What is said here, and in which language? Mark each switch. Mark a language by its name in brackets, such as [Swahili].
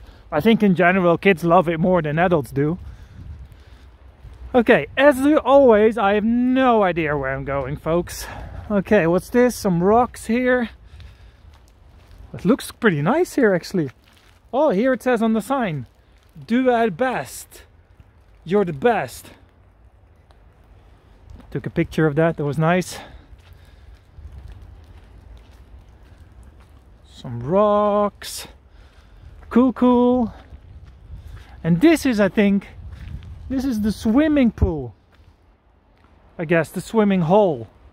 [English] I think in general, kids love it more than adults do. Okay, as always, I have no idea where I'm going, folks. Okay, what's this? Some rocks here. It looks pretty nice here, actually. Oh, here it says on the sign, [Swedish] "Du är bäst." [English] You're the best. Took a picture of that. That was nice. Some rocks. Cool, cool. And this is, I think, this is the swimming pool, I guess, the swimming hole.